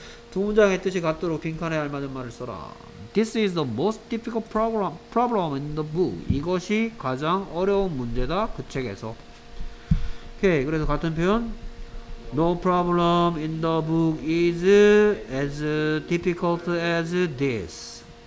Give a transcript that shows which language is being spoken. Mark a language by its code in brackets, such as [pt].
[ko] 두 문장의 뜻이 같도록 빈칸에 알맞은 말을 써라. [en] This is the most difficult problem in the book. [ko] 이것이 가장 어려운 문제다, 그 책에서. 오케이, 그래서 같은 표현. [en] No problem in the book is as difficult as this.